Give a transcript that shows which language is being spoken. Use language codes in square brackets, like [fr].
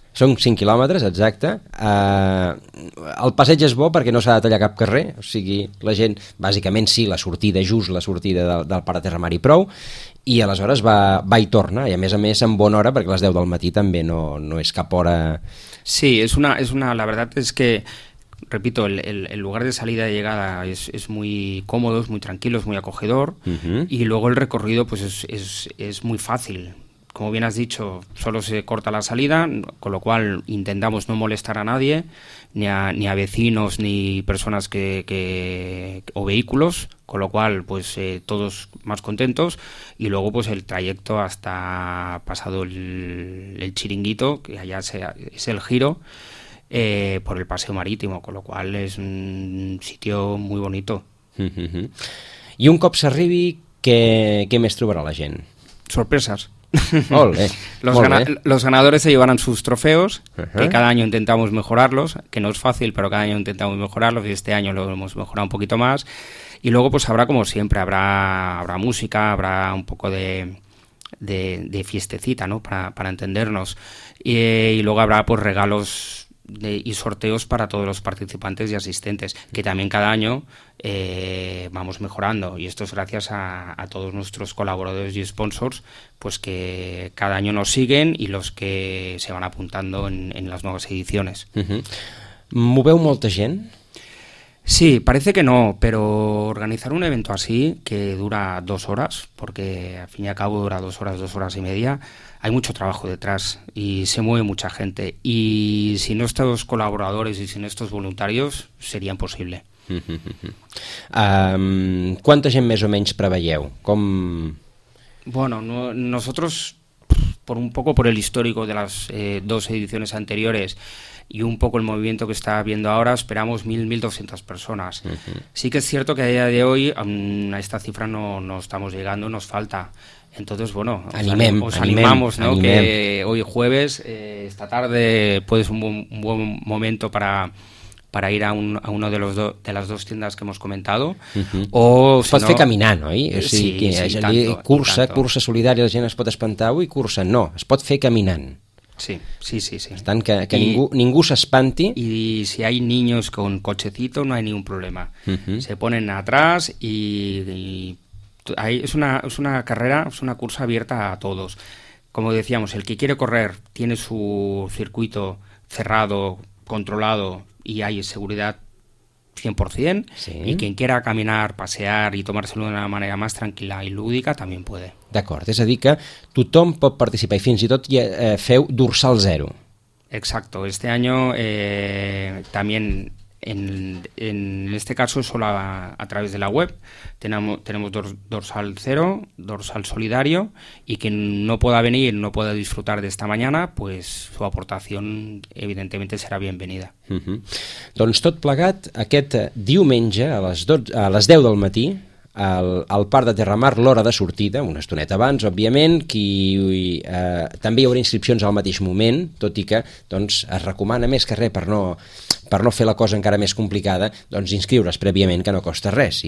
[ca] Són 5 quilòmetres, exacte. El passeig és bo perquè no s'ha de tallar cap carrer, o sigui, la gent, bàsicament sí, la sortida del Parc de Terramar i prou, i aleshores va i torna, i a més en bona hora, perquè a les 10 del matí també no és cap hora... Sí, és una, la veritat és que, [es] repito, el lugar de salida y llegada es muy cómodo, es muy tranquilo, es muy acogedor, y luego el recorrido pues es muy fácil. Como bien has dicho, solo se corta la salida, con lo cual intentamos no molestar a nadie, ni a vecinos, ni personas o vehículos, con lo cual pues todos más contentos. Y luego pues el trayecto hasta pasado el chiringuito, que allá es el giro, por el paseo marítimo, con lo cual es un sitio muy bonito. [ca] Y un cop s'arribi, ¿qué més trobarà la gent? [es] Sorpresas. Los ganadores se llevarán sus trofeos, que cada año intentamos mejorarlos, que no es fácil, pero cada año intentamos mejorarlos, y este año lo hemos mejorado un poquito más. Y luego pues habrá, como siempre, habrá música, habrá un poco de fiestecita, ¿no? Para entendernos. Y luego habrá pues regalos y sorteos para todos los participantes y asistentes, que también cada año vamos mejorando, y esto es gracias a todos nuestros colaboradores y sponsors, pues que cada año nos siguen y los que se van apuntando en las nuevas ediciones. [ca] ¿Moveu molta gent? [es] Sí, parece que no, pero organizar un evento así, que dura 2 horas, porque al fin y al cabo dura 2 horas, 2 horas y media, hay mucho trabajo detrás y se mueve mucha gente. Y sin estos colaboradores y sin estos voluntarios sería imposible. [ca] ¿Cuánta gent més o menys preveieu? Com... [es] Bueno, no, nosotros, por un poco por el histórico de las 2 ediciones anteriores, y un poco el movimiento que está habiendo ahora, esperamos 1.200 personas. Uh-huh. Sí que es cierto que a día de hoy a esta cifra no estamos llegando, nos falta. Entonces, bueno, os animamos, ¿no? Animem. Que hoy jueves, esta tarde, puede ser un buen momento para ir a uno de los de las dos tiendas que hemos comentado. [ca] Uh-huh. O es pot fer caminant, oi? O sigui, sí, que sí, tanto, cursa solidària, la gent es pot espantar, i cursa, no, es pot fer caminant. Sí. Per tant, que ningú s'espanti. I si hi ha [es] niños con cochecito, no hay ningún problema. Uh-huh. Se ponen atrás y es una carrera, es una cursa abierta a todos. Como decíamos, el que quiere correr tiene su circuito cerrado, controlado, y hay seguridad 100%, sí. Y quien quiera caminar, pasear y tomárselo de una manera más tranquila y lúdica también puede. [ca] D'acord, és a dir que tothom pot participar i fins i tot feu dorsal zero. [es] Exacto, este año también en este caso solo a través de la web tenemos dorsal cero, dorsal solidario, y quien no pueda venir, no pueda disfrutar de esta mañana, pues su aportación evidentemente será bienvenida. Uh-huh. [ca] Doncs tot plegat aquest diumenge a les 10 del matí al parc de Terramar, l'hora de sortida, una estoneta abans, òbviament, també hi haurà inscripcions al mateix moment, tot i que doncs, es recomana més que res per no fer la cosa encara més complicada, doncs inscriure's prèviament, que no costa res.